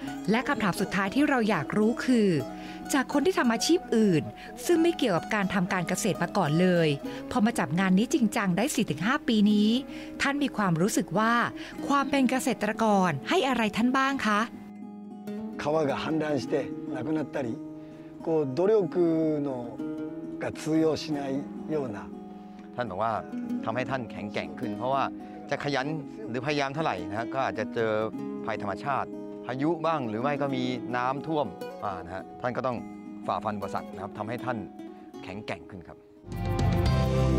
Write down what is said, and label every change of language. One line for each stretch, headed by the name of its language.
Thai: และคำถามสุดท้ายที่เราอยากรู้คือจากคนที่ทำอาชีพอื่นซึ่งไม่เกี่ยวกับการทำการเกษตรมาก่อนเลยพอมาจับงานนี้จริงจังได้ 4-5 ปีนี้ท่านมีความรู้สึกว่าความเป็นเกษตรกรให้อะไรท่านบ้างคะ
Japanese: 川が氾濫してなくなったりこう努力のが通用しないような
Thai: ท่านบอกว่าทำให้ท่านแข็งแกร่งขึ้นเพราะว่าจะขยันหรือพยายามเท่าไหร่นะก็อาจจะเจอภัยธรรมชาติพายุบ้างหรือไม่ก็มีน้ำท่วมนะฮะท่านก็ต้องฝ่าฟันอุปสรรคนะครับทำให้ท่านแข็งแกร่งขึ้นครับ